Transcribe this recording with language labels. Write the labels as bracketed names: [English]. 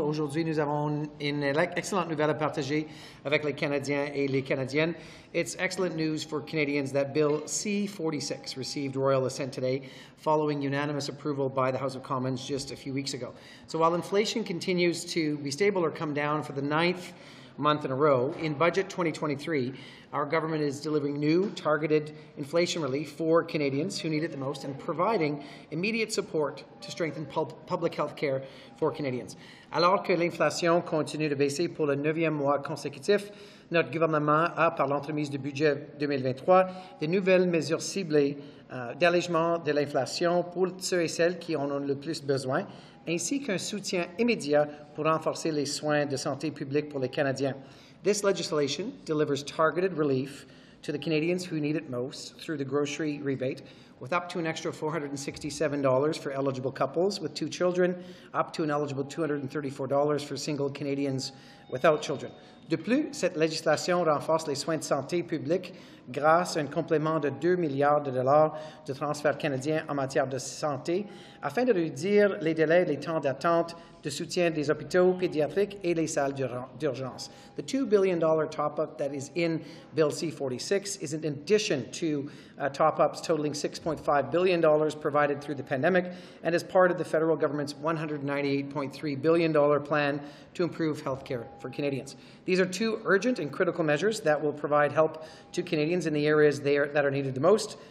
[French] Aujourd'hui, nous avons une excellente nouvelle à partager avec les Canadiens et les Canadiennes. [English] It's excellent news for Canadians that Bill C-46 received royal assent today following unanimous approval by the House of Commons just a few weeks ago. So while inflation continues to be stable or come down for the ninth month in a row, in budget 2023, our government is delivering new targeted inflation relief for Canadians who need it the most and providing immediate support to strengthen public health care for Canadians. [French] Alors que l'inflation continue de baisser pour le neuvième mois consécutif, notre gouvernement a, par l'entremise du budget 2023, des nouvelles mesures ciblées d'allègement de l'inflation pour ceux et celles qui en ont le plus besoin, ainsi qu'un soutien immédiat pour renforcer les soins de santé publique pour les Canadiens. [English] This legislation delivers targeted relief to the Canadians who need it most through the grocery rebate, with up to an extra $467 for eligible couples with two children, up to an eligible $234 for single Canadians without children. [French] De plus, cette législation renforce les soins de santé publique grâce à un complément de 2 milliards de dollars de transferts canadiens en matière de santé afin de réduire les délais, les temps d'attente de soutien des hôpitaux pédiatriques et les salles d'urgence. [English] The $2 billion top-up that is in Bill C-46 is in addition to top-ups totaling $6.5 billion provided through the pandemic and is part of the federal government's $198.3 billion plan to improve health care for Canadians. These are two urgent and critical measures that will provide help to Canadians in the areas that are needed the most.